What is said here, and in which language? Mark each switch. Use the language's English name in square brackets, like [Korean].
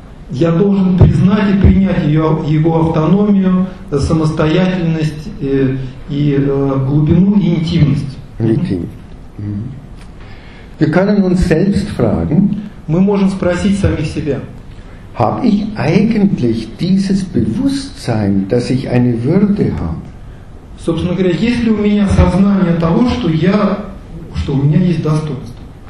[Russian] Я должен признать и принять ее, его автономию, самостоятельность и глубину и интимность. [German] Wir können uns selbst fragen, [Russian] мы можем спросить самих себя. [German] Habe ich eigentlich dieses Bewusstsein, dass ich eine Würde habe? [Russian] Собственно говоря, есть ли у меня сознание того, что я, что у меня есть достоинство?